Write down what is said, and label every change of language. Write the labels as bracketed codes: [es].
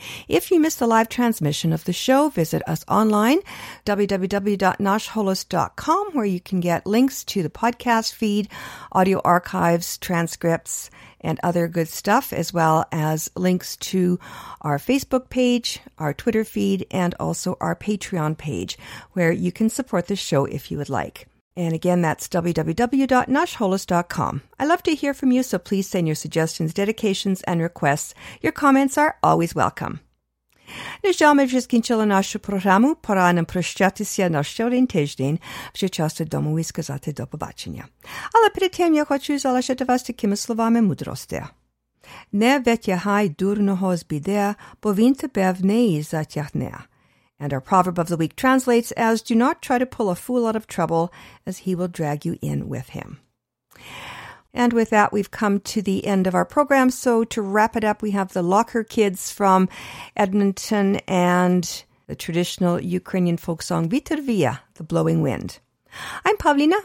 [en] If you miss the live transmission of the show, visit us online, www.nashholos.com, where you can get links to the podcast feed, audio archives, transcripts, and other good stuff, as well as links to our Facebook page, our Twitter feed, and also our Patreon page, where you can support the show if you would like. And again, that's www.nashholos.com. I love to hear from you, so please send your suggestions, dedications, and requests. Your comments are always welcome. [uk] Нежалме вже скінчила нашу програму. Пора нам прощатися на ще один тиждень. Вже час додому і сказати до побачення. Але перед тим я хочу залишити вас такими словами мудрості. Не витягай дурного з біди, бо він тебе в неї затягне. [en] And our proverb of the week translates as, do not try to pull a fool out of trouble, as he will drag you in with him. And with that, we've come to the end of our program. So to wrap it up, we have the Locker Kids from Edmonton and the traditional Ukrainian folk song, Vitervia, the Blowing Wind. I'm Pavlina.